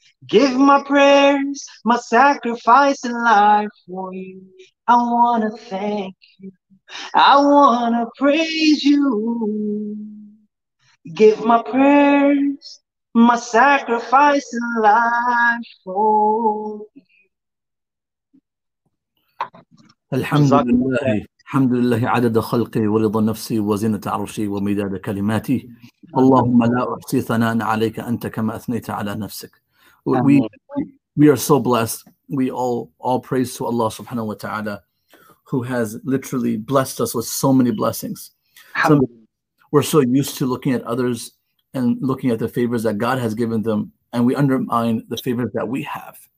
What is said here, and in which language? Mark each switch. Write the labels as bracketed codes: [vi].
[en] Give my prayers, my sacrifice and life for you. I want to thank you. I want to praise you. Give my prayers, my sacrifice and life for you. [ar] الحمد لله الحمد لله عدد خلقي ورضا نفسي وزنة عرشي ومداد كلماتي اللهم لا أحصي ثناء عليك أنت كما أثنيت على نفسك. [en] We are so blessed. We all praise to Allah subhanahu wa ta'ala who has literally blessed us with so many blessings. We're so used to looking at others and looking at the favors that God has given them and we undermine the favors that we have.